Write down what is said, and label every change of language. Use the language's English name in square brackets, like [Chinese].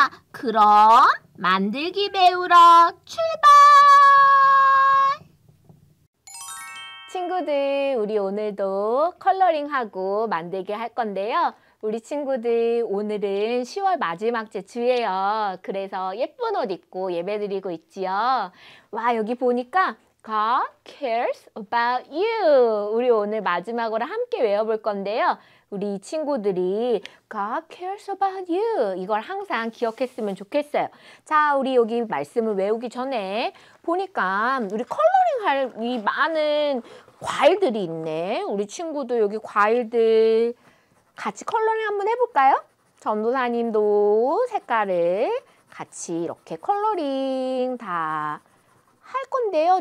[Korean] 그럼 만들기 배우러 출발! 친구들, 우리 오늘도 컬러링하고 만들기 할 건데요. 우리 친구들, 오늘은 10월 마지막 제 주예요. 그래서 예쁜 옷 입고 예배 드리고 있지요. 와, 여기 보니까 [English] God cares about you. [Korean] 우리 오늘 마지막으로 함께 외워볼 건데요. 우리 친구들이 [English] God cares about you. [Korean] 이걸 항상 기억했으면 좋겠어요. 자, 우리 여기 말씀을 외우기 전에 보니까 우리 컬러링 할 이 많은 과일들이 있네. 우리 친구도 여기 과일들 같이 컬러링 한번 해볼까요? 전도사님도 색깔을 같이 이렇게 컬러링 다 할 건데요.